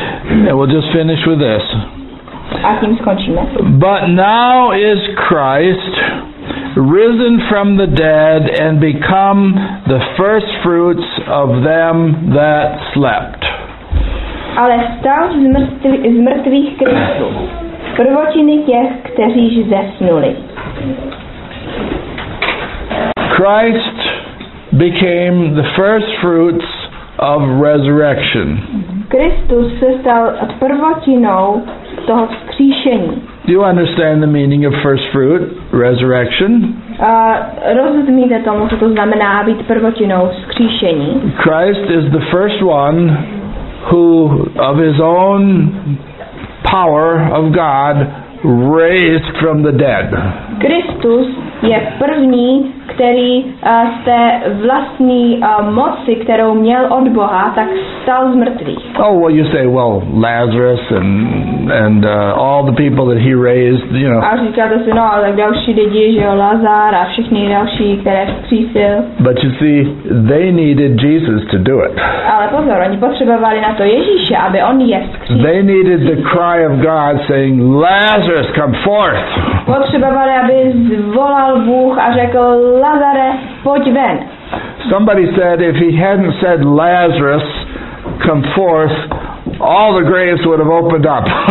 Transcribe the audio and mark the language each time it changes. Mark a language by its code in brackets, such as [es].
[en] And we'll just finish with this. [cs] A tím skončíme. [en] But now is Christ risen from the dead and become the first fruits of them that slept. [cs] Ale vstal z mrtvých Kristus, prvotiny těch, kteří zesnuli. [en] Christ became the first fruits of resurrection. [cs] Kristus se stal prvotinou toho vzkříšení. [en] Do you understand the meaning of first fruit, resurrection? [cs] Rozumíte tomu, co to znamená být prvotinou vzkříšení? [en] Christ is the first one who, of his own power of God, raised from the dead. [cs] Kristus je první, který z té vlastní moci, kterou měl od Boha, tak stal z mrtvých. [en] Oh, well, you say, well, Lazarus and all the people that he raised, you know. [cs] A říkáte si, no, ale další lidi, že jo, Lazar a všichni další, které vzkřísil. [en] But you see, they needed Jesus to do it. [cs] Ale pozor, oni potřebovali na to Ježíše, aby on je vzkřísil. [en] They needed the cry of God saying, Lazarus, come forth. [cs] Potřebovali, aby zvolal Bůh a řekl, Lazare, pojď ven. [en] Somebody said if he hadn't said Lazarus, come forth, all the graves would have opened up.